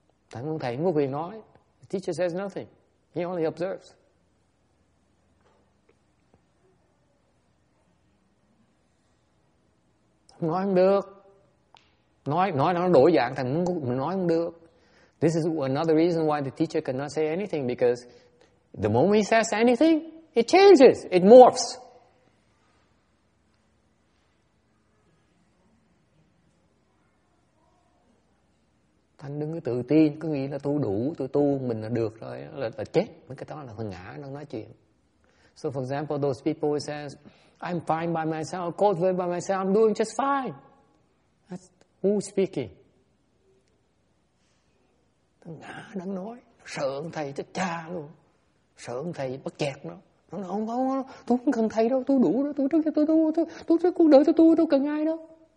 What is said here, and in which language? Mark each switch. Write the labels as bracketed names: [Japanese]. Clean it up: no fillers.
[Vietnamese] Thằng ông thầy không có quyền nói. [English] The teacher says nothing. He only observes. [Vietnamese] Không nói không được. Nói nó đổi dạng. Thằng mình nói không được. [English] This is another reason why the teacher cannot say anything, because the moment he says anything, it changes. It morphs. [Vietnamese] Thành đừng có tự tin, cứ nghĩ là tôi đủ, tôi tu mình là được rồi, là chết. Mấy cái đó là phần ngã đang nói chuyện. [English] So for example, those people who says, I'm fine by myself, God will by myself, I'm doing just fine. That's who speaking? [Vietnamese] Thằng ngã đang nói, sợ ông thầy chết cha luôn. Sợ ông thầy bắt chẹt nó. Nó nói, không, tôi không cần thầy đâu, tôi đủ đó, tôi trước cho tôi trước cuộc đời cho tôi, đâu cần ai đâu.